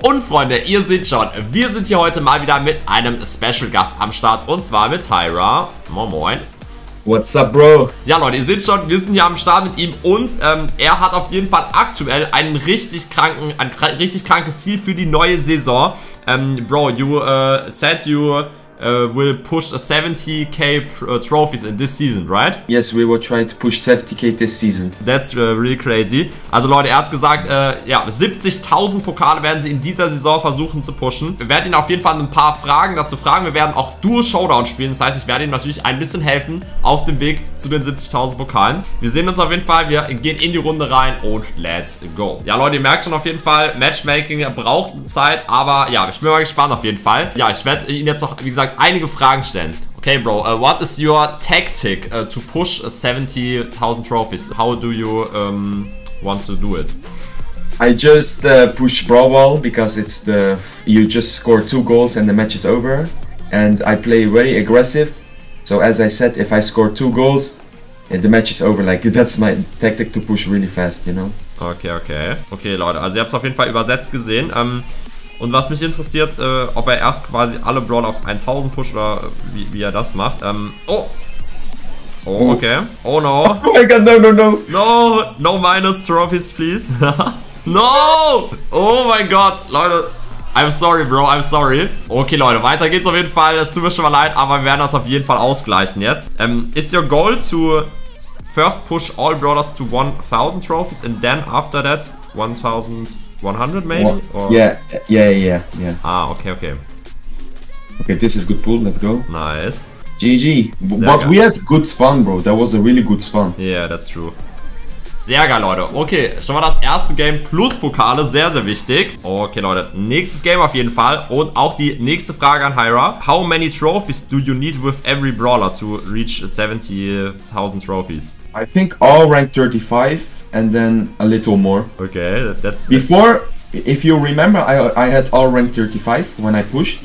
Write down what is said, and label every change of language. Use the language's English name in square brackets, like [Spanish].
[German] Und Freunde, ihr seht schon, wir sind hier heute mal wieder mit einem Special Gast am Start. Und zwar mit Hyra. Moin moin. [English] What's up, Bro? Ja Leute, ihr seht schon, wir sind hier am Start mit ihm. Und er hat auf jeden Fall aktuell einen richtig kranken, ein richtig krankes Ziel für die neue Saison. Bro, you said you will push 70k trophies in this season, right? Yes, we will try to push 70k this season. That's really crazy. [German] Also Leute, er hat gesagt, ja, 70.000 Pokale werden sie in dieser Saison versuchen zu pushen. Wir werden ihn auf jeden Fall ein paar Fragen dazu fragen. Wir werden auch Duo Showdown spielen. Das heißt, ich werde ihm natürlich ein bisschen helfen auf dem Weg zu den 70.000 Pokalen. Wir sehen uns auf jeden Fall. Wir gehen in die Runde rein und [English] let's go. [German] Ja Leute, ihr merkt schon auf jeden Fall, Matchmaking braucht Zeit. Aber ja, ich bin mal gespannt auf jeden Fall. Ja, ich werde ihn jetzt noch, wie gesagt, einige Fragen stellen. [English] Okay, Bro, what is your tactic to push 70.000 trophies? How do you want to do it? I just push Brawl because it's the... You just score 2 goals and the match is over. And I play very aggressive. So as I said, if I score 2 goals, the match is over. Like, that's my tactic to push really fast, you know? Okay, okay. [German] Okay, Leute, also ihr habt es auf jeden Fall übersetzt gesehen. Und was mich interessiert, ob er erst quasi alle Brawler auf 1000 pusht oder wie er das macht. [English] Oh, okay. Oh no. Oh my god, no, no, no. No, no minus trophies, please. No! [German] Oh mein Gott, Leute. [English] I'm sorry, Bro, I'm sorry. [German] Okay, Leute, weiter geht's auf jeden Fall. Es tut mir schon mal leid, aber wir werden das auf jeden Fall ausgleichen jetzt. [English] Is your goal to first push all Brawlers to 1000 trophies and then after that 1000... 100 maybe? Yeah. Ah, okay, okay. Okay, this is good pool, let's go. Nice. GG. But we had good spawn, bro. That was a really good spawn. Yeah, that's true. [German] Sehr geil, Leute. Okay, schon mal das erste Game plus Pokale, sehr, sehr wichtig. Okay, Leute, nächstes Game auf jeden Fall. Und auch die nächste Frage an Hyra. [English] How many trophies do you need with every brawler to reach 70.000 trophies? I think all rank 35 and then a little more. Okay. Before, if you remember, I had all rank 35 when I pushed.